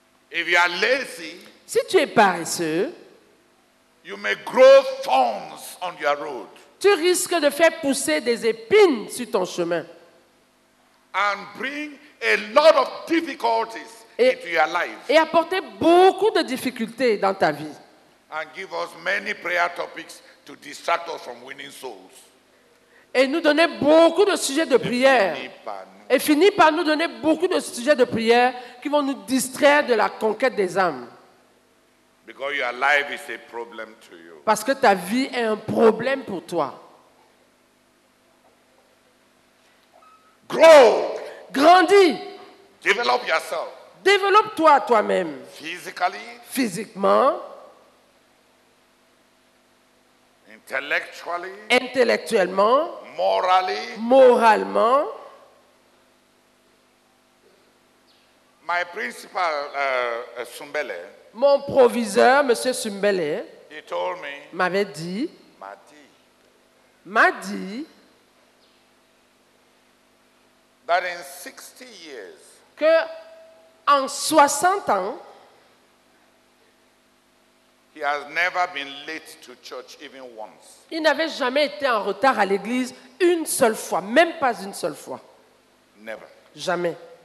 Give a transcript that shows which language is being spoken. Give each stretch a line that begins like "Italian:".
English: If you are lazy,
French: si tu es paresseux,
English: you may grow thorns on your road,
French: tu risques de faire pousser des épines sur ton chemin.
English: And bring a lot of difficulties into your life,
French: et apporter beaucoup de difficultés dans ta vie.
English: And give us many prayer topics to distract us from winning souls.
French: Et nous donner beaucoup de sujets de prière. Et finit par nous donner beaucoup de sujets de prière qui vont nous distraire de la conquête des âmes.
English: Because your life is a problem to you.
French: Parce que ta vie est un problème pour toi.
English: Grow.
French: Grandis.
English: Develop yourself.
French: Développe-toi toi-même.
English: Physically.
French: Physiquement.
English: Intellectually.
French: Intellectuellement.
English: Morally.
French: Moralement.
English: My principal, Sumbele,
French: mon proviseur, M. Sumbele,
English: he told me,
French: m'avait dit, m'a dit
English: that in 60 years,
French: que en 60 ans,
English: he has never been late to church even once.
French: Il n'avait jamais été en retard à l'église une seule fois, même pas une seule fois.
English: Never.
French: Jamais.